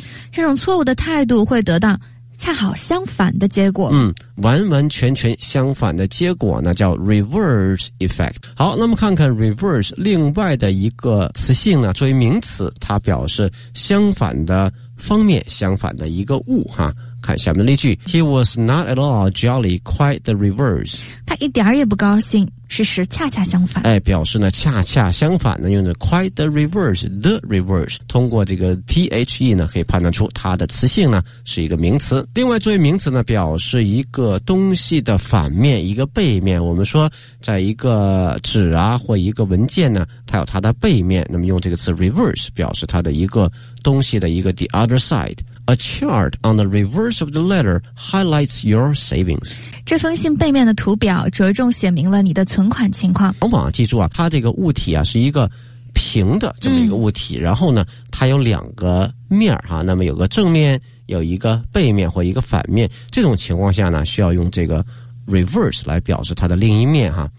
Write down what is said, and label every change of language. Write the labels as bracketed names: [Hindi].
[Chinese] 这种错误的态度会得到恰好相反的结果，嗯，完完全全相反的结果呢叫 reverse effect。好，那么看看 reverse 另外的一个词性呢，作为名词它表示相反的方面，相反的一个物哈。看下面的例句 [English] He was not at all jolly, quite the reverse。 [Chinese] 他一点也不高兴，事实恰恰相反，哎，表示呢恰恰相反呢，用的 [English] quite the reverse， [Chinese] the reverse， 通过这个 the 呢可以判断出它的词性呢是一个名词。另外作为名词呢表示一个东西的反面，一个背面，我们说在一个纸啊或一个文件呢它有它的背面，那么用这个词 reverse 表示它的一个东西的一个 [English] the other side。 A chart on the reverse of the letter highlights your savings. [Chinese] 这封信背面的图表着重写明了你的存款情况。往往记住啊，它这个物体啊是一个平的这么一个物体，嗯，然后呢它有两个面啊，那么有个正面有一个背面或一个反面，这种情况下呢需要用这个 reverse 来表示它的另一面啊。